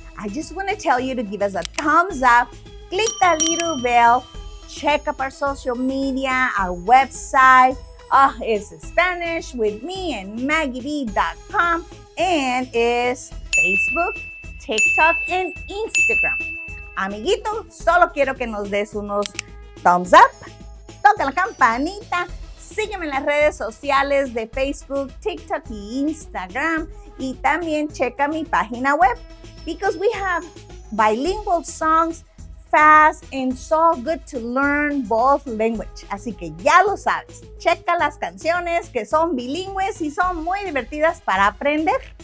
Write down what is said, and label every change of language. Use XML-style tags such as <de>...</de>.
<en>I just want to tell you to give us a thumbs up, click that little bell, check up our social media, our website. It's SpanishWithMeAndMaggieB.com and it's Facebook, TikTok, and Instagram.</en> <es>Amiguito, solo quiero que nos des unos thumbs up, toca la campanita, sígueme en las redes sociales de Facebook, TikTok, y Instagram, y también checa mi página web.</es> <en>Because we have bilingual songs, fast and so good to learn both language.</en> <es>Así que ya lo sabes. Checa las canciones que son bilingües y son muy divertidas para aprender.</es>